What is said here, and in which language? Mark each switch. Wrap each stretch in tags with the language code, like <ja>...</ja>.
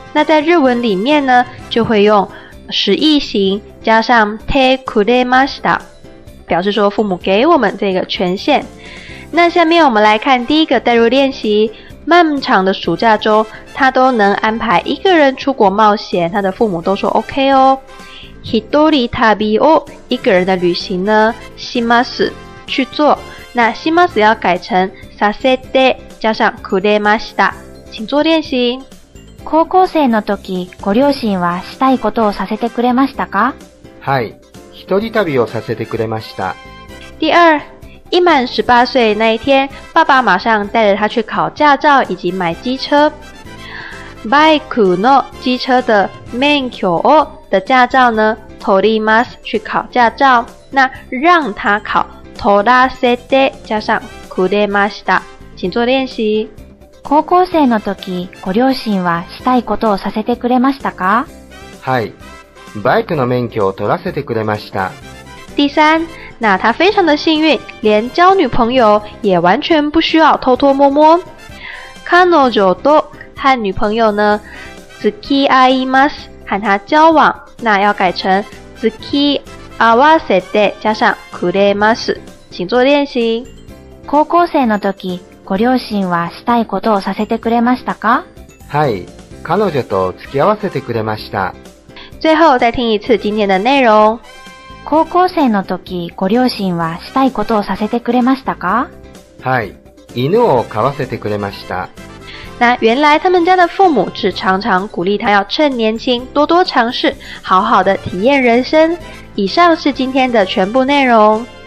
<zh>那在日文里面呢，就会用实义型加上てくれました，表示说父母给我们这个权限。那下面我们来看第一个代入练习。漫长的暑假中，他都能安排一个人出国冒险，他的父母都说 OK 哦。一人旅を，一个人的旅行呢，します，去做。那します要改成させて，加上くれました。请做练习。</zh> <ja>高校生の時、ご両親はしたいことをさせてくれましたか？はい、一人旅をさせてくれました。</ja> <zh>第二。一满18岁那一天，爸爸马上带着他去考驾照以及买机车。バイクの机车的免許を的驾照呢，取ります去考驾照。那让他考，取らせて加上くれました。请做练习。</zh> <ja>高校生の時、ご両親はしたいことをさせてくれましたか？はい、バイクの免許を取らせてくれました。</ja> <zh>第三。那他非常的幸运，连交女朋友也完全不需要偷偷摸摸。彼女と和女朋友呢，付き合いました，和他交往，那要改成付き合わせて加上くれます，请做练习。</zh> <ja>高校生の時、ご両親はしたいことをさせてくれましたか？はい、彼女と付き合わせてくれました。</ja> <zh>最后再听一次今天的内容。</zh> <ja>高校生の時、ご両親はしたいことをさせてくれましたか？はい、犬を飼わせてくれました。</ja> <zh>那原来他们家的父母只常常鼓励他要趁年轻多多尝试，好好的体验人生。以上是今天的全部内容。</zh>